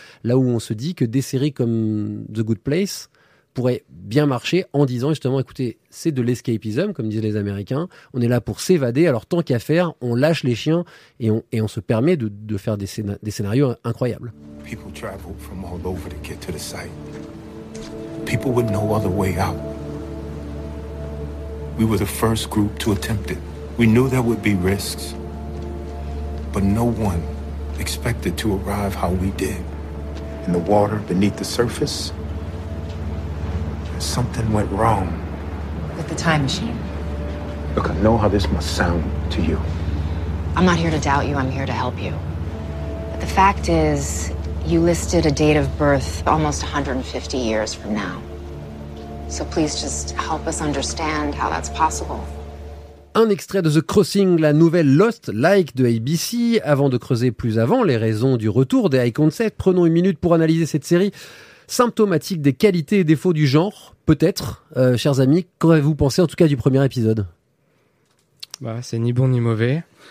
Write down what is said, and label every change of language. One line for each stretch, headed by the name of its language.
French: Là où on se dit que des séries comme The Good Place pourraient bien marcher en disant justement « Écoutez, c'est de l'escapism, comme disent les Américains. On est là pour s'évader. Alors tant qu'à faire, on lâche les chiens et on se permet de faire des scénarios incroyables. »
English: People with no other way out. We were the first group to attempt it. We knew there would be risks, but no one expected to arrive how we did. In the water beneath the surface, something went wrong. With the time machine. Look, I know how this must sound to you. I'm not here to doubt you, I'm here to help you. But the fact is, you listed a date of birth almost 150 years from now. So please just help us understand how that's possible.
French: Un extrait de The Crossing, la nouvelle Lost-like de ABC. Avant de creuser plus avant les raisons du retour des high concepts, prenons une minute pour analyser cette série symptomatique des qualités et défauts du genre. Peut-être, chers amis, qu'avez-vous pensé en tout cas du premier épisode ? C'est ni bon ni mauvais.